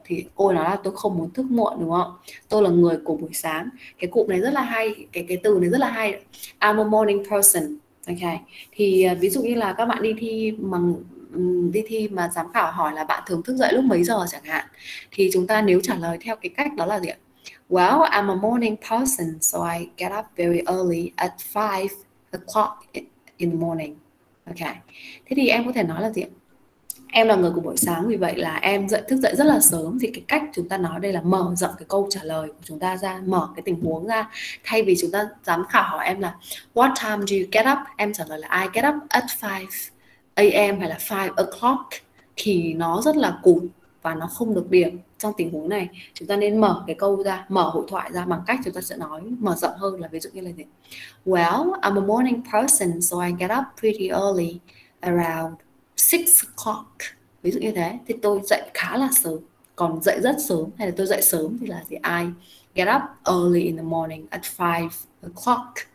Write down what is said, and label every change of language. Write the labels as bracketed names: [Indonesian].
[Vietnamese] Thì cô nói là tôi không muốn thức muộn, đúng không? Tôi là người của buổi sáng. Cái cụm này rất là hay, cái từ này rất là hay. [English] I'm a morning person. [Vietnamese] Okay. Thì ví dụ như là các bạn đi thi bằng đi thi mà giám khảo hỏi là bạn thường thức dậy lúc mấy giờ chẳng hạn, thì chúng ta nếu trả lời theo cái cách đó là gì ạ? [English] Well, I'm a morning person, so I get up very early at 5 o'clock in the morning. Okay. [Vietnamese] Thế thì em có thể nói là gì ạ? Em là người của buổi sáng, vì vậy là em dậy, thức dậy rất là sớm. Thì cái cách chúng ta nói đây là mở rộng cái câu trả lời của chúng ta ra, mở cái tình huống ra. Thay vì chúng ta giám khảo hỏi em là [English] what time do you get up? [Vietnamese] Em trả lời là [English] I get up at 5 a.m. [Vietnamese] hay là [English] 5 o'clock. [Vietnamese] Thì nó rất là cụt và nó không được điểm trong tình huống này. Chúng ta nên mở cái câu ra, mở hội thoại ra bằng cách chúng ta sẽ nói mở rộng hơn, là ví dụ như là gì? [English] Well, I'm a morning person, so I get up pretty early around 6 o'clock. [Vietnamese] Ví dụ như thế, thì tôi dậy khá là sớm. Còn dậy rất sớm hay là tôi dậy sớm thì là gì? [English] I get up early in the morning at 5 o'clock.